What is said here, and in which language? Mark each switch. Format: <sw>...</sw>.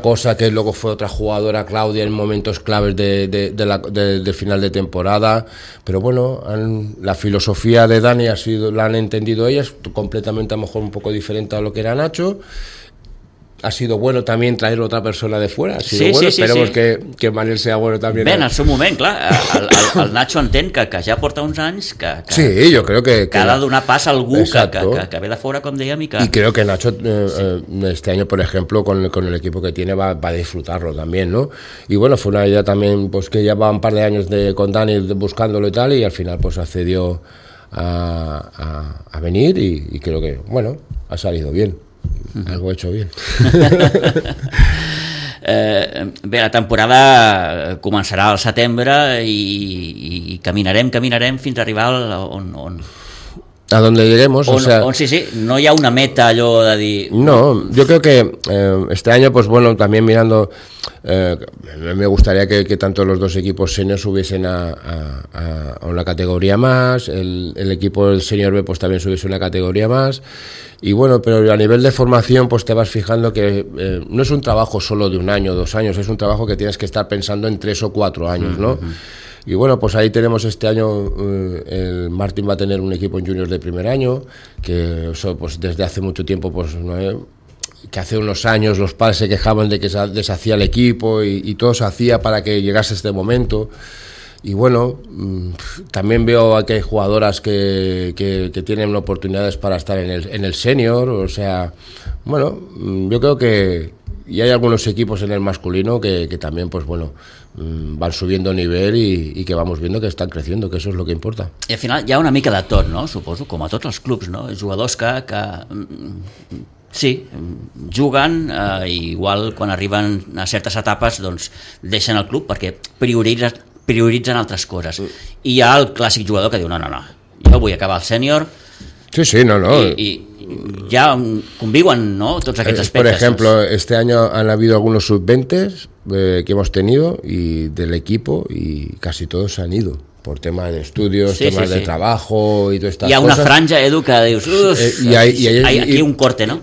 <es>Cosa, que luego fue otra jugadora, Claudia, en momentos claves de final de temporada. Pero bueno, la filosofía de Dani la han entendido ellas, completamente a lo mejor un poco diferente a lo que era Nacho. Ha sido bueno también traer otra persona de fuera. Ha sido sí, bueno. Sí, esperemos sí. que Manel sea bueno también.</es> <ca>Ben, al seu moment, clar, el Nacho entén que ja porta uns anys que sí, jo crec que ha de donar pas a algú que ve de fuera, com dèiem.</ca> <es>I creo que Nacho este año, por ejemplo, con el equipo que tiene, va a disfrutarlo también, ¿no? Y bueno, fue una idea también, pues que ya va un par de años con Dani buscándolo y tal, y al final pues accedió a venir y creo que, bueno, ha salido bien. Algo he hecho bien.</es> <ca>Bé, la temporada començarà al setembre i caminarem fins a arribar on</ca> <es>a donde lleguemos, o sea, sí, sí, no hay una meta, yo de decir. No, yo creo que este año, pues bueno, también mirando, me gustaría que tanto los dos equipos senior subiesen a una categoría más, el equipo del senior B pues también subiese una categoría más, y bueno, pero a nivel de formación pues te vas fijando que no es un trabajo solo de un año, dos años, es un trabajo que tienes que estar pensando en tres o cuatro años, ¿no? Uh-huh. Y bueno, pues ahí tenemos este año, el Martín va a tener un equipo en juniors de primer año, que eso, pues desde hace mucho tiempo, pues no, que hace unos años los padres se quejaban de que se deshacía el equipo y todo se hacía para que llegase este momento. Y bueno, también veo que hay jugadoras que tienen oportunidades para estar en el senior. O sea, bueno, yo creo que... Y hay algunos equipos en el masculino que también, pues bueno, van subiendo nivel y que vamos viendo que están creciendo, que eso es lo que importa. Y al final</es> <ca>hi ha una mica de tot, no? Suposo, com a tots els clubs, no? Jugadors que sí, juguen i igual quan arriben a certes etapes doncs deixen el club perquè prioritzen altres coses. I hi ha el clàssic jugador que diu no, jo vull acabar el sènior. Sí, no.</ca> <es>I ya conviven, ¿no? Todos aquellos aspectos. Por ejemplo, este año han habido algunos sub-20 que hemos tenido y del equipo y casi todos han ido por temas de estudios, sí, temas de trabajo y todas estas cosas. Y a una franja, Edu,</es> <ca>que dius,</ca> <es>hay aquí un corte, ¿no?</es>